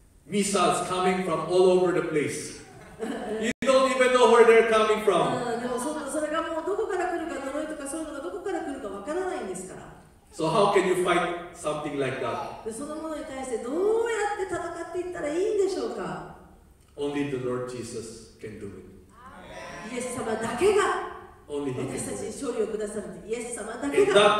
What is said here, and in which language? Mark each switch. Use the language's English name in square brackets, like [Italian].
[English] Missiles coming from all over the place. You don't even know where they're coming from. [Japanese] それがもうどこから来るか、呪いとかそういうのがどこから来るかわからないんですから。 [English] So how can you fight something like that? [Japanese] そのものに対してどうやって戦っていったらいいんでしょうか? [English] Only the Lord Jesus can do it. [Japanese] イエス様だけが私たちに勝利をくださるんで、イエス様だけが。